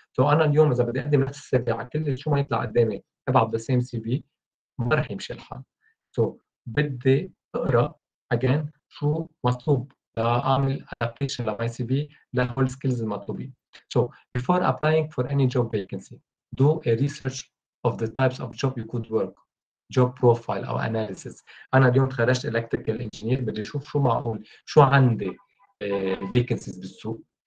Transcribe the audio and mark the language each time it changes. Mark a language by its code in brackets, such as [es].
[ar] سو انا اليوم اذا بدي اقدم نفس السي في على كل شو ما يطلع قدامي تبعت [en] ذا سيم سي في [ar] ما راح يمشي الحال. سو بدي اقرا اجين شو مطلوب لأعمل adaptation لماي CV لهول skills المطلوبين. [en] So before applying for any job vacancy, do a research of the types of job you could work, job profile أو analysis. [ar] أنا اليوم تخرجت [en] electrical engineer [ar] بدي أشوف شو معقول شو عندي vacancies بالسوق.